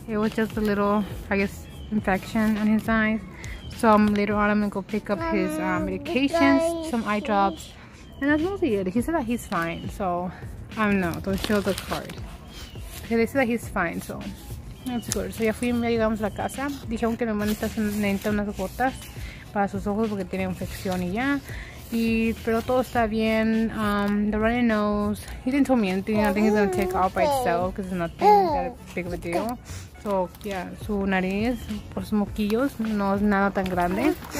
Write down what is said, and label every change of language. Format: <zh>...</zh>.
<en>It was just a little, I guess, infection on his eyes. So I'm later on, I'm gonna go pick up his medications, some eye drops, and that's mostly it. He said that he's fine, so I don't know. Don't show the card. Okay, they said that he's fine, so that's good.</en> <es>So ya fui, ya llegamos a la casa. Dijeron que mi hermano está necesitando unas gotas para sus ojos porque tiene infección y ya. Y pero todo está bien.</es> <en>The runny nose. He didn't tell me anything. I think it's gonna take off by itself because it's nothing that big of a deal.</en> <es>So yeah, su nariz, por sus moquillos, no es nada tan grande.</es>